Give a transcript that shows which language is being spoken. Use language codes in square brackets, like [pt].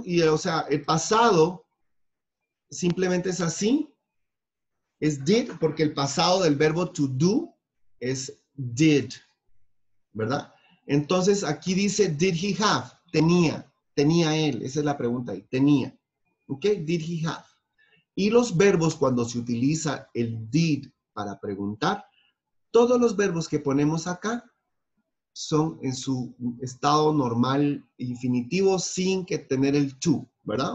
[es] O sea, el pasado simplemente es así. Es did, porque el pasado del verbo to do es did, ¿verdad? Entonces, aquí dice, [en] did he have? [es] Tenía él. Esa es la pregunta ahí. Tenía. ¿Ok? [en] Did he have? [es] Y los verbos, cuando se utiliza el did para preguntar. Todos los verbos que ponemos acá son en su estado normal infinitivo sin que tener el to, ¿verdad?